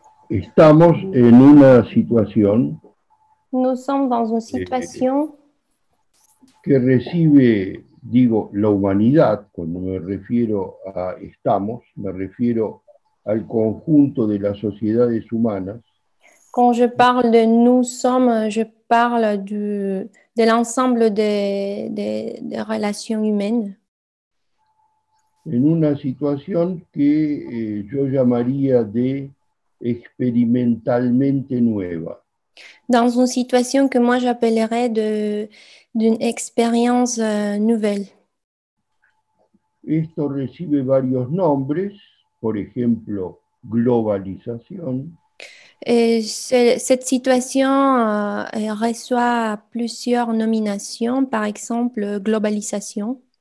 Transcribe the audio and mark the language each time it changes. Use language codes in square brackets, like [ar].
[es] estamos en una situación [fr] Nous sommes dans une situation. [es] que recibe, digo, la humanidad, cuando me refiero a estamos, me refiero al conjunto de las sociedades humanas. [fr] Quand je parle de nous sommes, je parle de l'ensemble des relations humaines. [es] En una situación que yo llamaría de experimentalmente nueva. [fr] Dans une situation que moi j'appellerais de d'une expérience nouvelle. [es] Esto recibe varios nombres, por ejemplo, globalización. [fr] Et cette situation reçoit plusieurs nominations, par exemple globalisation.